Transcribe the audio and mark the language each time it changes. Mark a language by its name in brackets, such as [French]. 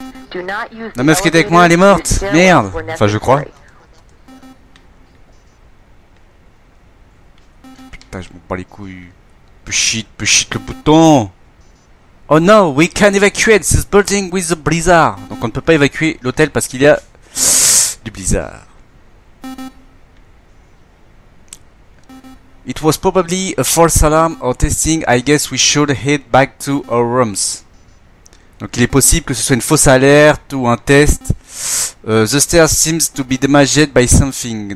[English] Do not use the elevators. [French] La meuf qui était avec moi, elle est morte. Merde. Enfin, je crois. Je m'en bats les couilles. [English] Push it [French] le bouton. [English] Oh no, we can evacuate this building with the blizzard. [French] Donc on ne peut pas évacuer l'hôtel parce qu'il y a du blizzard. [English] It was probably a false alarm or testing. I guess we should head back to our rooms. [French] Donc il est possible que ce soit une fausse alerte ou un test. [English] The stairs seems to be damaged by something.